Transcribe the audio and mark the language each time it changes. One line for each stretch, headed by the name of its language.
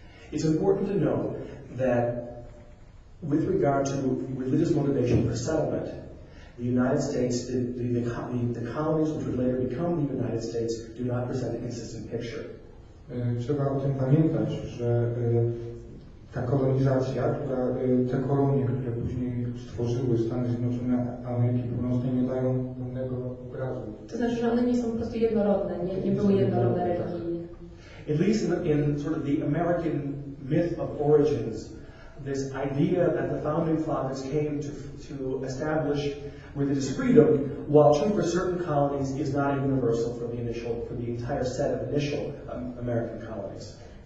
English: It's important to know that with regard to religious motivation for settlement, the United States, the colonies which would later become the United States, do not present a consistent picture.
Polish: Trzeba o tym pamiętać, że ta kolonizacja, która, te kolonie, które później stworzyły Stany Zjednoczone Ameryki Północnej, nie dają pełnego obrazu. To znaczy, że one nie są po prostu jednorodne, nie były jednorodne religijnie.
English: At least in sort of the American myth of origins, this idea that the founding fathers came to establish religious freedom, while true for certain colonies, is not universal for the initial, for the entire set of initial American colonies.